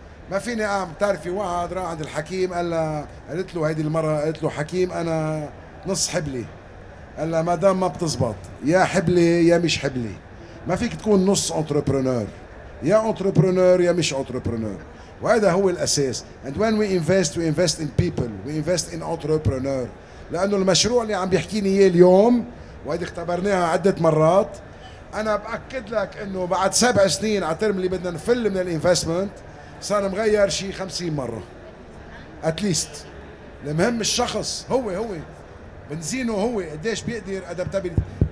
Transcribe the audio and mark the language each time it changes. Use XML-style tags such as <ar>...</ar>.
<ar>ما فيني قام تعرفي واحد راح عند الحكيم قالت له هيدي المرة، قالت له حكيم أنا نص حبلي، قال لها مادام ما بتزبط يا حبلي يا مش حبلي. ما فيك تكون نص Entrepreneur، يا Entrepreneur يا مش Entrepreneur، وهذا هو الأساس.</ar> <en>And when we invest in people, we invest in entrepreneur.</en> <ar>لأنه المشروع اللي عم بيحكيني إياه اليوم وهذه اختبرناها عدة مرات، أنا بأكد لك أنه بعد 7 سنين على ترم اللي بدنا نفل من الانفستمنت صار مغير شيء 50 مرة at least. المهم الشخص هو بنزينه، هو قديش بيقدر adaptability.</ar>